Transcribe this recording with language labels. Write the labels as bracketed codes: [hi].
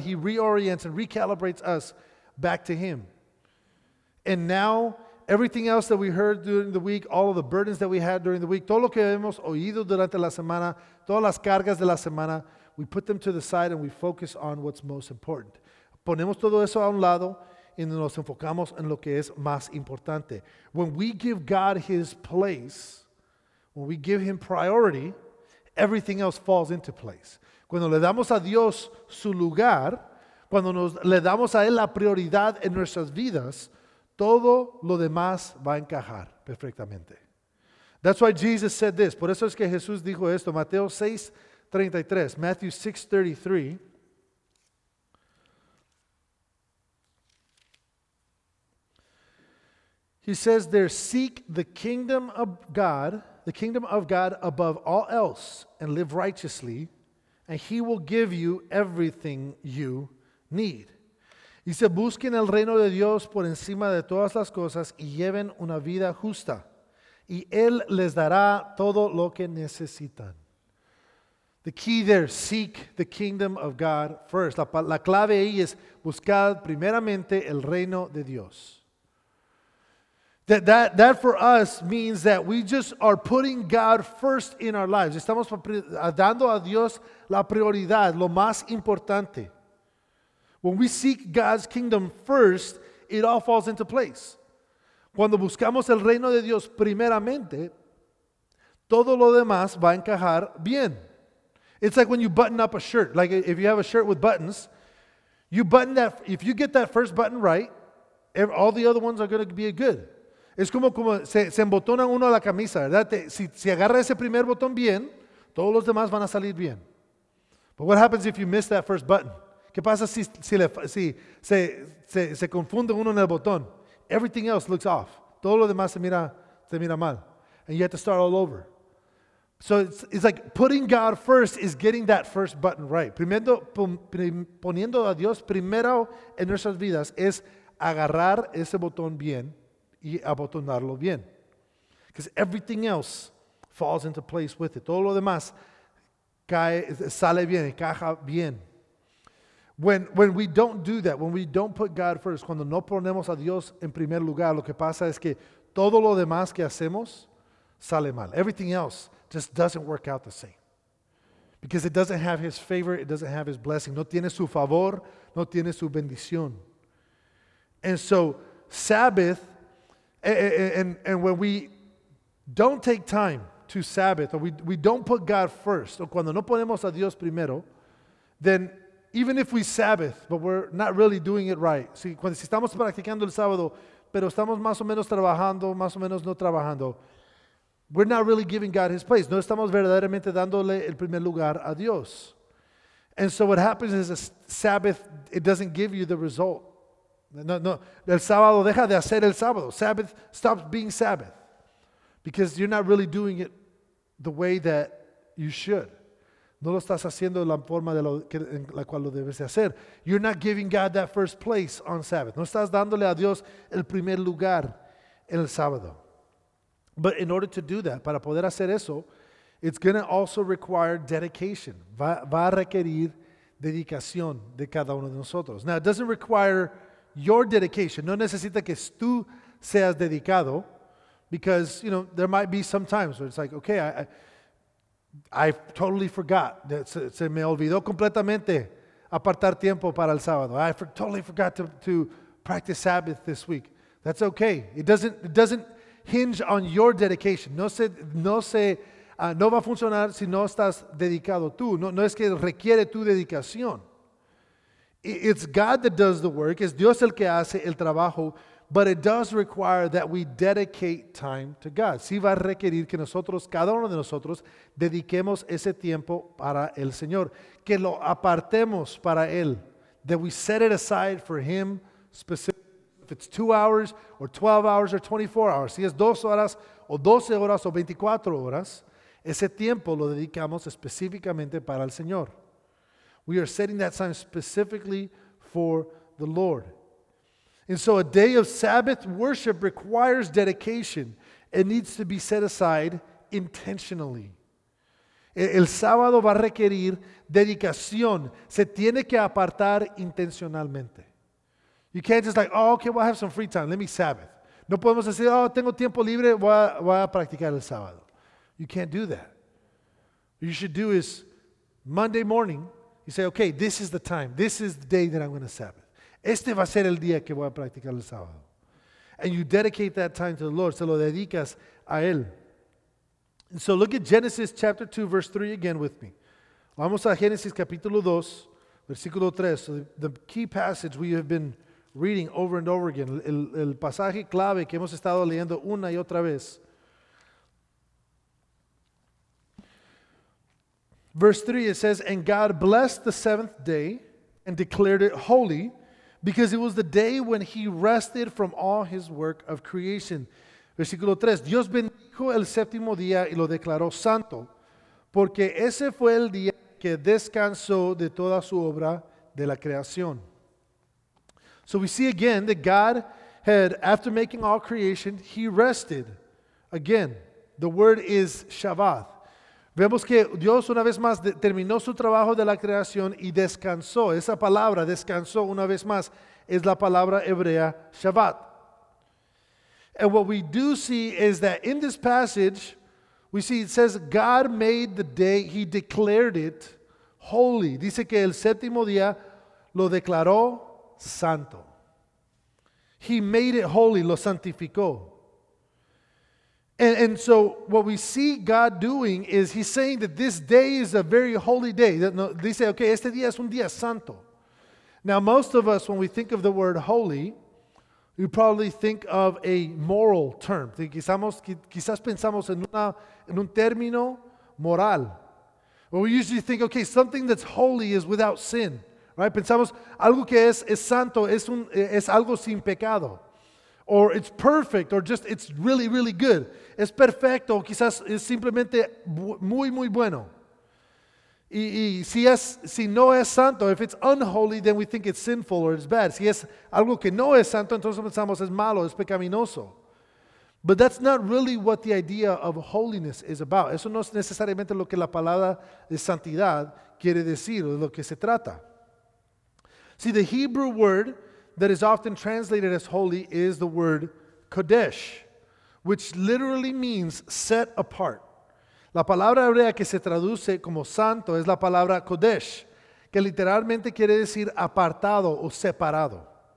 [en] He reorients and recalibrates us back to Him. And now, everything else that we heard during the week, all of the burdens that we had during the week, [es] todo lo que hemos oído durante la semana, [en] todas las cargas de la semana, we put them to the side and we focus on what's most important. [es] Ponemos todo eso a un lado y nos enfocamos en lo que es más importante. [en] When we give God His place, when we give Him priority, everything else falls into place. [es] Cuando le damos a Dios su lugar, cuando le damos a Él la prioridad en nuestras vidas, todo lo demás va a encajar perfectamente. [en] That's why Jesus said this. [es] Por eso es que Jesús dijo esto. Matthew 6:33. [en] He says there, seek the kingdom of God, the kingdom of God above all else, and live righteously, and He will give you everything you need. [es] Y se busquen el reino de Dios por encima de todas las cosas y lleven una vida justa. Y Él les dará todo lo que necesitan. [en] The key there, seek the kingdom of God first. [es] La clave ahí es buscar primeramente el reino de Dios. [en] That for us means that we just are putting God first in our lives. [es] Estamos dando a Dios la prioridad, lo más importante. [en] When we seek God's kingdom first, it all falls into place. [es] Cuando buscamos el reino de Dios primeramente, todo lo demás va a encajar bien. [en] It's like when you button up a shirt. Like if you have a shirt with buttons, you button that. If you get that first button right, all the other ones are going to be good. [es] Es como se embotona uno a la camisa, ¿verdad? Si agarra ese primer botón bien, todos los demás van a salir bien. [en] But what happens if you miss that first button? [es] ¿Qué pasa si se confunde uno en el botón? [en] Everything else looks off. [es] Todo lo demás se mira mal. [en] And you have to start all over. So it's like putting God first is getting that first button right. [es] Poniendo a Dios primero en nuestras vidas es agarrar ese botón bien y abotonarlo bien. [en] Because everything else falls into place with it. [es] Todo lo demás sale bien, encaja bien. [en] When we don't do that, when we don't put God first, [es] cuando no ponemos a Dios en primer lugar, lo que pasa es que todo lo demás que hacemos sale mal. [en] Everything else just doesn't work out the same. Because it doesn't have His favor, it doesn't have His blessing. [es] No tiene su favor, no tiene su bendición. [en] And so, Sabbath, and when we don't take time to Sabbath, or we don't put God first, [es] o cuando no ponemos a Dios primero, [en] then even if we Sabbath, but we're not really doing it right. [es] Si estamos practicando el sábado, pero estamos más o menos trabajando, más o menos no trabajando, [en] we're not really giving God His place. [es] No estamos verdaderamente dándole el primer lugar a Dios. [en] And so what happens is a Sabbath, it doesn't give you the result. No, no. [es] El sábado deja de hacer el sábado. [en] Sabbath stops being Sabbath because you're not really doing it the way that you should. [es] No lo estás haciendo de la forma en la cual lo debes de hacer. [en] You're not giving God that first place on Sabbath. [es] No estás dándole a Dios el primer lugar en el sábado. [en] But in order to do that, [es] para poder hacer eso, [en] it's going to also require dedication. [es] Va a requerir dedicación de cada uno de nosotros. [en] Now, it doesn't require your dedication. [es] No necesita que tú seas dedicado, [en] Because, you know, there might be some times where it's like, okay, I totally forgot. [es] Se me olvidó completamente apartar tiempo para el sábado. [en] I totally forgot to practice Sabbath this week. That's okay. It doesn't hinge on your dedication. [es] No va a funcionar si no estás dedicado tú. No es que requiere tu dedicación. [en] It's God that does the work. [es] Es Dios el que hace el trabajo. [en] But it does require that we dedicate time to God. [es] Sí va a requerir que nosotros, cada uno de nosotros, dediquemos ese tiempo para el Señor. Que lo apartemos para Él. [en] That we set it aside for Him specifically. If it's 2 hours, or 12 hours, or 24 hours. [es] Si es 2 horas, o 12 horas, o 24 horas. Ese tiempo lo dedicamos específicamente para el Señor. [en] We are setting that time specifically for the Lord. And so a day of Sabbath worship requires dedication. It needs to be set aside intentionally. [es] El sábado va a requerir dedicación. Se tiene que apartar intencionalmente. [en] You can't just like, oh, okay, well, I have some free time. Let me Sabbath. [es] No podemos decir, oh, tengo tiempo libre. Voy a practicar el sábado. [en] You can't do that. What you should do is Monday morning, you say, okay, this is the time. This is the day that I'm going to Sabbath. [es] Este va a ser el día que voy a practicar el sábado. [en] And you dedicate that time to the Lord. [es] Se lo dedicas a Él. [en] And so look at Genesis chapter 2, verse 3 again with me. [es] Vamos a Genesis capítulo 2, versículo 3. [en] So the key passage we have been reading over and over again. [es] El pasaje clave que hemos estado leyendo una y otra vez. [en] Verse 3, it says, "And God blessed the seventh day and declared it holy, because it was the day when he rested from all his work of creation." [es] Versículo 3. Dios bendijo el séptimo día y lo declaró santo, porque ese fue el día que descansó de toda su obra de la creación. [en] So we see again that God had, after making all creation, he rested. Again, the word is Shabbat. [es] Vemos que Dios una vez más terminó su trabajo de la creación y descansó. Esa palabra, descansó una vez más, es la palabra hebrea Shabbat. [en] And what we do see is that in this passage, we see it says God made the day, he declared it holy. [es] Dice que el séptimo día lo declaró santo. [en] He made it holy, [es] lo santificó. [en] And so what we see God doing is he's saying that this day is a very holy day. They say, okay, [es] este día es un día santo. [en] Now, most of us, when we think of the word holy, we probably think of a moral term. [es] Quizás pensamos en un término moral. [en] But we usually think, okay, something that's holy is without sin, right? [es] Pensamos, algo que es santo es algo sin pecado. [en] Or it's perfect, or just it's really, really good. [es] Es perfecto, quizás es simplemente muy, muy bueno. Y si no es santo, [en] if it's unholy, then we think it's sinful or it's bad. [es] Si es algo que no es santo, entonces pensamos es malo, es pecaminoso. [en] But that's not really what the idea of holiness is about. [es] Eso no es necesariamente lo que la palabra de santidad quiere decir o de lo que se trata. [en] See, the Hebrew word that is often translated as holy is the word kodesh, which literally means set apart. [es] La palabra hebrea que se traduce como santo es la palabra kodesh, que literalmente quiere decir apartado o separado.